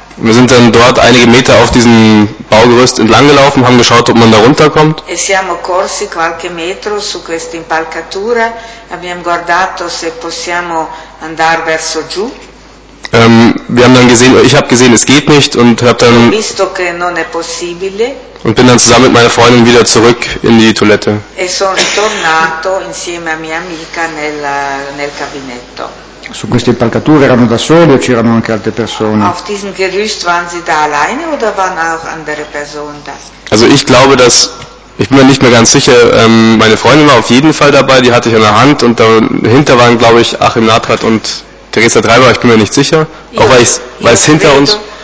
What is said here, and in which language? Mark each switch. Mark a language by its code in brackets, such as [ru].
[de] Wir sind dann dort einige Meter auf diesem Baugerüst entlang gelaufen, haben geschaut, ob man da runterkommt. [it] E siamo corsi qualche metro su questa impalcatura, abbiamo guardato se possiamo andare verso giù. [de] Wir haben dann gesehen, ich habe gesehen, es geht nicht und habe dann [it] visto che non è possibile. [de] Und bin dann zusammen mit meiner Freundin wieder zurück in die Toilette. [it] E sono ritornato insieme a mia amica nel gabinetto. Su queste impalcature erano da soli o c'erano anche altre persone? [de] Auf diesem Gerüst waren sie da alleine oder waren auch andere Personen da? Also ich glaube, dass ich bin mir nicht mehr ganz sicher, meine Freundin war auf jeden Fall dabei, die hatte ich in der Hand und dahinter waren, glaube ich, Achim Nathrat und Teresa Treiber, ich bin mir nicht sicher, auch weil es hinter uns.